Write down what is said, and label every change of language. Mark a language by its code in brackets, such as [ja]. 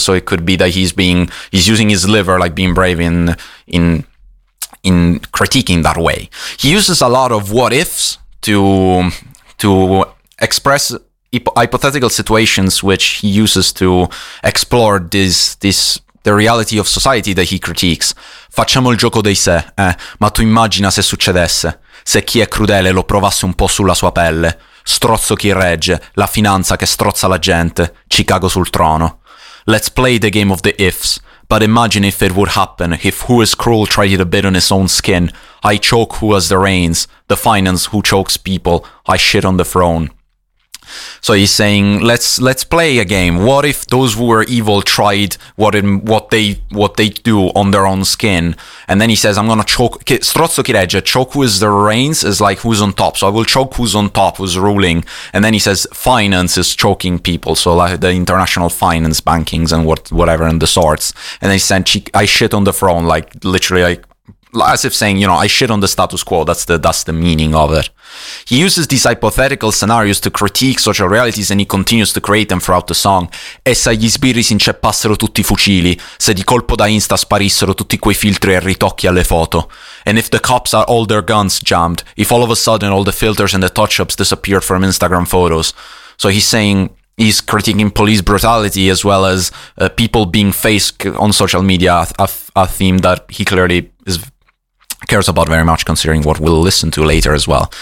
[en] So it could be that he's using his liver, like being brave in critiquing that way. He uses a lot of what ifs to express hypothetical situations, which he uses to explore the reality of society that he critiques. [it] Facciamo il gioco dei sé, ma tu immagina se succedesse, se chi è crudele lo provasse un po' sulla sua pelle, strozzo chi regge, la finanza che strozza la gente, ci cago sul trono. [en] Let's play the game of the ifs. But imagine if it would happen, if who is cruel tried it a bit on his own skin. I choke who has the reins, the finance who chokes people, I shit on the throne. So he's saying, let's play a game. What if those who were evil tried what they do on their own skin? And then he says, I'm gonna choke, [it] strozzo chi regge, [en] choke who is the reins is like who's on top. So I will choke who's on top, who's ruling. And then he says, finance is choking people. So like the international finance bankings and whatever and the sorts. And then he said, I shit on the throne, like literally like, as if saying, you know, I shit on the status quo. That's the meaning of it. He uses these hypothetical scenarios to critique social realities, and he continues to create them throughout the song. [it] E se gli sbirri si inceppassero tutti i fucili, se di colpo da Insta sparissero tutti quei filtri e ritocchi alle foto. [en] And if the cops are all their guns jammed, if all of a sudden all the filters and the touch-ups disappeared from Instagram photos. So he's saying, he's critiquing police brutality as well as people being fake on social media, a theme that he clearly cares about very much, considering what we'll listen to later as well.